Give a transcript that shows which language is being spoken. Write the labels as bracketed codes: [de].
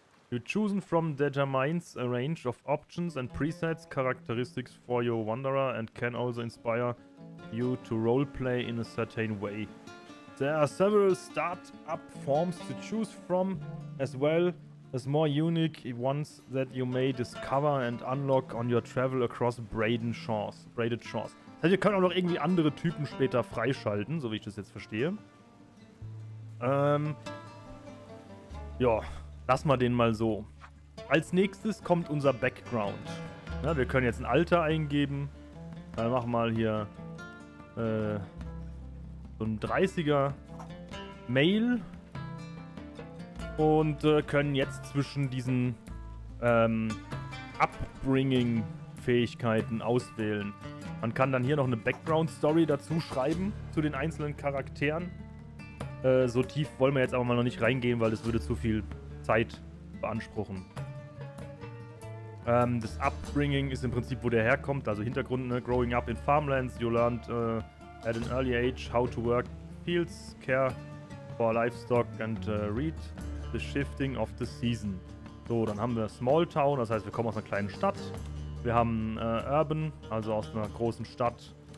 [en] You choose from Determine's a range of options and presets characteristics for your Wanderer and can also inspire you to roleplay in a certain way. There are several start-up forms to choose from, as well as more unique ones that you may discover and unlock on your travel across Braided Shores. [de] Das heißt, ihr könnt auch noch irgendwie andere Typen später freischalten, so wie ich das jetzt verstehe. Ja, lass mal den mal so. Als nächstes kommt unser Background. Ja, wir können jetzt ein Alter eingeben. Dann machen wir mal hier so ein 30er Male. Und können jetzt zwischen diesen Upbringing-Fähigkeiten auswählen. Man kann dann hier noch eine Background-Story dazu schreiben zu den einzelnen Charakteren. So tief wollen wir jetzt aber mal noch nicht reingehen, weil das würde zu viel Zeit beanspruchen. Das Upbringing ist im Prinzip, wo der herkommt, also Hintergrund, ne? [en] Growing up in farmlands, you learned at an early age how to work fields, care for livestock and read the shifting of the season. [de] So, dann haben wir Small Town, das heißt, wir kommen aus einer kleinen Stadt. Wir haben Urban, also aus einer großen Stadt.